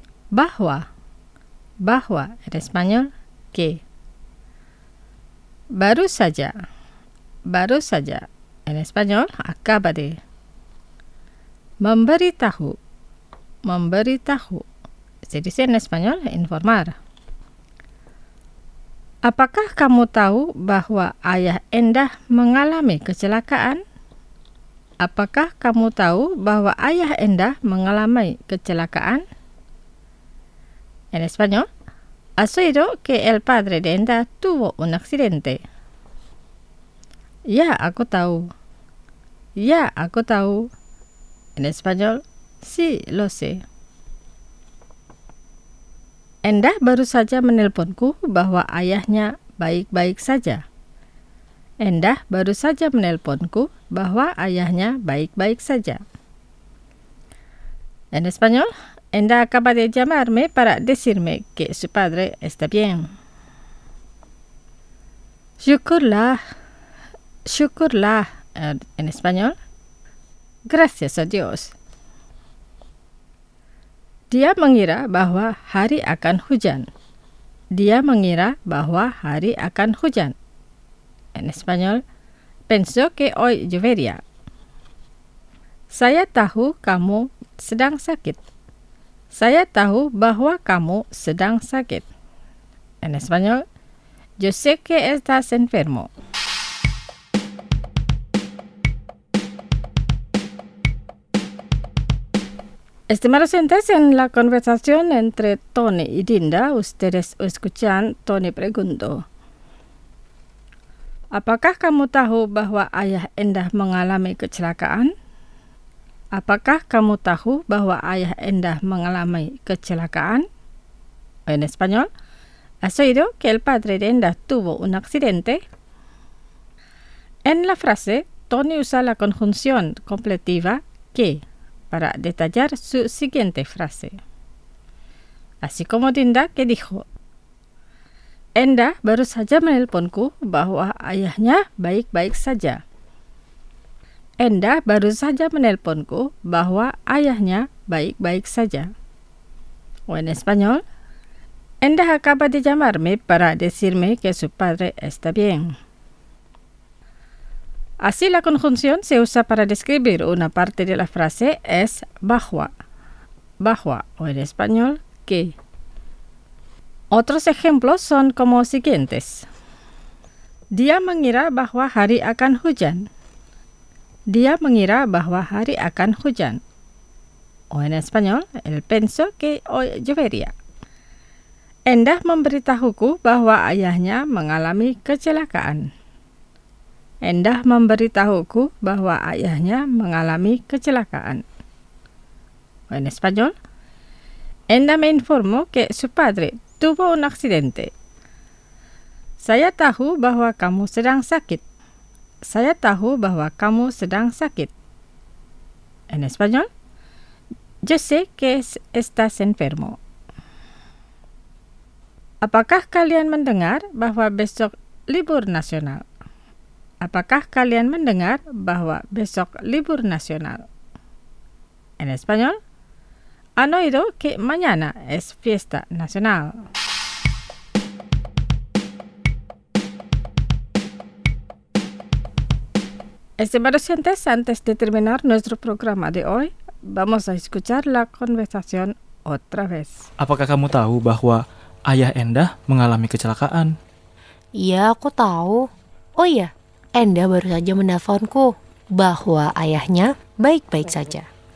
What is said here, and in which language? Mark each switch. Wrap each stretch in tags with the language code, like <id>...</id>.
<id>Bahwa. Bahwa.</id> <es>En español, que.</es> <id>Baru saja. Baru saja.</id> <es>En español, acaba de.</es> <id>Memberitahu. Memberitahu.</id> <es>Se dice en español, informar.</es> <id>Apakah kamu tahu bahwa ayah Endah mengalami kecelakaan? Apakah kamu tahu bahwa ayah Endah mengalami kecelakaan?</id> <es>En español, ¿has oído que el padre de Endah tuvo un accidente?</es> <id>Ya, aku tahu. Ya, aku tahu.</id> <es>En español, sí, lo sé.</es> <id>Endah baru saja menelponku bahwa ayahnya baik-baik saja. Endah baru saja menelponku bahwa ayahnya baik-baik saja.</id> <es>En español, Endah acaba de llamarme para decirme que su padre está bien.</es> <id>Syukurlah. Syukurlah.</id> <es>En español, gracias a Dios.</es> <id>Dia mengira bahwa hari akan hujan. Dia mengira bahwa hari akan hujan.</id> <es>En español, pensó que hoy llovería.</es> <id>Saya tahu kamu sedang sakit. Saya tahu bahwa kamu sedang sakit.</id> <es>En español, yo sé que estás enfermo. Estimados oyentes, en la conversación entre Tony y Dinda, ustedes escuchan, Tony preguntó.</es> <id>¿Apakah kamu tahu bahwa ayah Endah mengalami kecelakaan? ¿Apakah kamu tahu bahwa ayah Endah mengalami kecelakaan?</id> <es>En español, ¿has oído que el padre de Endah tuvo un accidente? En la frase, Tony usa la conjunción completiva que para detallar su siguiente frase. Así como Dinda que dijo,</es> <id>Endah baru saja menelponku bahwa ayahnya baik-baik saja. Endah baru saja menelponku bahwa ayahnya baik-baik saja.</id> <es>O en español, Endah acaba de llamarme para decirme que su padre está bien. Así la conjunción se usa para describir una parte de la frase es</es> <id>bahwa, bahwa</id> <es>o en español que. Otros ejemplos son como siguientes.</es> <id>Dia mengira bahwa hari akan hujan. Dia mengira bahwa hari akan hujan.</id> <es>O en español, él pensó que hoy llovería.</es> <id>Endah memberitahuku bahwa ayahnya mengalami kecelakaan. Endah memberitahuku bahwa ayahnya mengalami kecelakaan.</id> <es>O en español, Endah me informó que su padre tuvo un accidente.</es> <id>Saya tahu bahwa kamu sedang sakit. Saya tahu bahwa kamu sedang sakit.</id> <es>En español, yo sé que estás enfermo.</es> <id>Apakah kalian mendengar bahwa besok libur nasional? Apakah kalian mendengar bahwa besok libur nasional?</id> <es>En español, ¿han oído que mañana es fiesta nacional? Estimados oyentes, antes de terminar nuestro programa de hoy, vamos a escuchar la conversación otra vez.</es> <id>Apakah kamu tahu bahwa ayah Endah mengalami kecelakaan? Iya, aku tahu. Oh iya, Endah baru saja menelponku bahwa ayahnya baik-baik saja.</id>